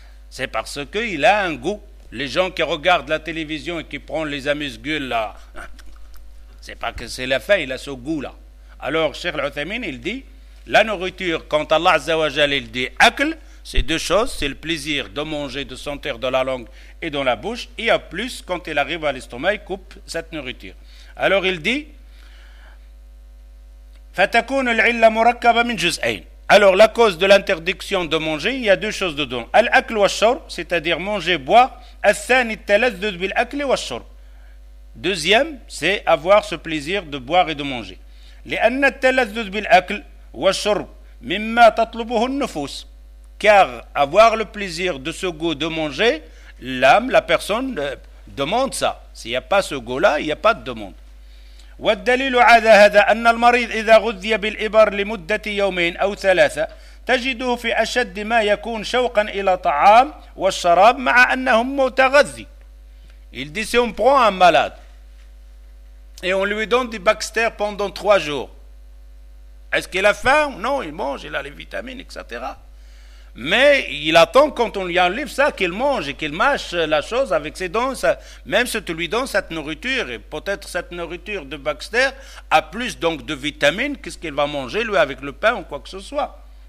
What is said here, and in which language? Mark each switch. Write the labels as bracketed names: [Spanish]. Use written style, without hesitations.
[French] C'est parce qu'il a un goût. Les gens qui regardent la télévision et qui prennent les amuse-gueules là, c'est pas que c'est la faim, il a ce goût-là. Alors, Cheikh Al-Uthaymin, il dit, la nourriture, quand Allah Azza wa Jal, il dit « akl », c'est deux choses, c'est le plaisir de manger, de sentir dans la langue et dans la bouche, et en plus, quand il arrive à l'estomac, il coupe cette nourriture. Alors, il dit, « [Arabic] فتكون العلة مركبة من جزئين ». [French] Alors, la cause de l'interdiction de manger, il y a deux choses dedans. [Arabic] Al-akl wa shorb, [French] c'est-à-dire manger, boire. [Arabic] Al-thani taladdud bil-akl wa shorb. [French] Deuxième, c'est avoir ce plaisir de boire et de manger. [Arabic] Li-anna taladdud bil-akl wa shorb, mimma tatlubuhu an-nufus. [French] car avoir le plaisir de ce goût de manger, l'âme, la personne demande ça. S'il n'y a pas ce goût-là, il n'y a pas de demande. [Arabic] والدليل على هذا أن المريض إذا غذي بالإبر لمدة يومين أو ثلاثة تجده في أشد ما يكون شوقا إلى طعام والشراب مع أنه متغذي. [French] Il dit si on prend un malade et on lui donne du Baxter pendant trois jours, est-ce qu'il a faim? Non, il mange, il a les vitamines, etc. Mais il attend quand on lui enlève ça qu'il mange et qu'il mâche la chose avec ses dents, ça, même si tu lui donnes cette nourriture, et peut-être cette nourriture de Baxter a plus donc de vitamines que ce qu'il va manger lui avec le pain ou quoi que ce soit.